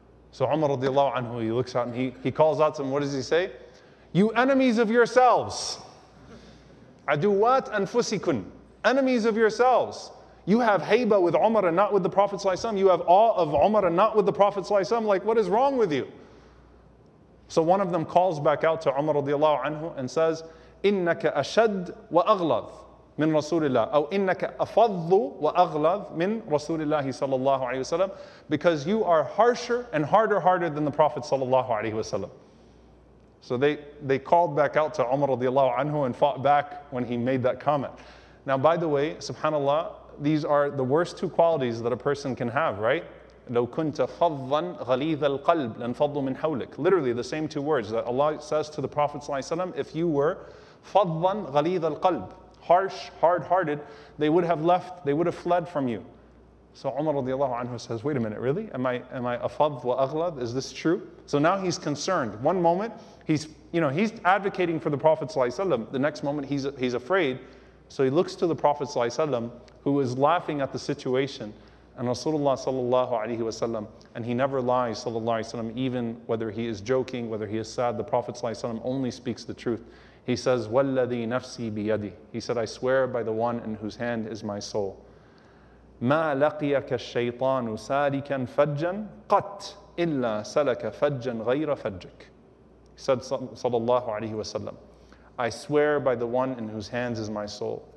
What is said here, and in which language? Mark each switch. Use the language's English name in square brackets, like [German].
[English] So Umar radiallahu anhu, he looks out and he calls out to them. What does he say? You enemies of yourselves. Aduwat anfusikun. Enemies of yourselves. You have haybah with Umar and not with the Prophet ﷺ. You have awe of Umar and not with the Prophet ﷺ. Like, what is wrong with you? So one of them calls back out to Umar radiallahu anhu and says, [Arabic] إِنَّكَ أَشَدْ وَأَغْلَظْ مِنْ رَسُولِ اللَّهِ أَوْ إِنَّكَ أَفَضُّ وَأَغْلَظْ مِنْ رَسُولِ اللَّهِ صَلَى اللَّهُ عَلَيْهِ وَسَلَمْ. [English] Because you are harsher and harder-hearted than the Prophet sallallahu alayhi wasallam. So they called back out to Umar radiallahu anhu and fought back when he made that comment. Now, by the way, subhanAllah, these are the worst two qualities that a person can have, right? [Arabic] لَوْ كُنْتَ خَضًّا غَلِيظَ الْقَلْبِ لَنْفَضُّ مِنْ حَوْلِكَ. [English] Literally, the same two words that Allah says to the Prophet ﷺ, if you were [Arabic] خَضًّا غَلِيظَ الْقَلْبِ, [English] harsh, hard-hearted, they would have left, they would have fled from you. So Umar radiallahu anhu says, wait a minute, really? Am I afadh wa aghlad? Is this true? So now he's concerned. One moment, he's advocating for the Prophet ﷺ. The next moment, he's afraid. So he looks to the Prophet ﷺ, who is laughing at the situation, and Rasulullah sallallahu alayhi wa sallam, and he never lies, sallallahu alayhi wa sallam, even whether he is joking, whether he is sad, the Prophet ﷺ only speaks the truth. He says, [Arabic] وَالَّذِي نَفْسِي بِيَدِي. [English] He said, I swear by the one in whose hand is my soul. [Arabic] مَا لَقِيَكَ الشَّيْطَانُ سَالِكًا فَجًّا قَتْ إِلَّا سَلَكَ فَجًّا غَيْرَ فَجِّكَ. [English] He said, sallallahu alayhi wa sallam, I swear by the one in whose hands is my soul.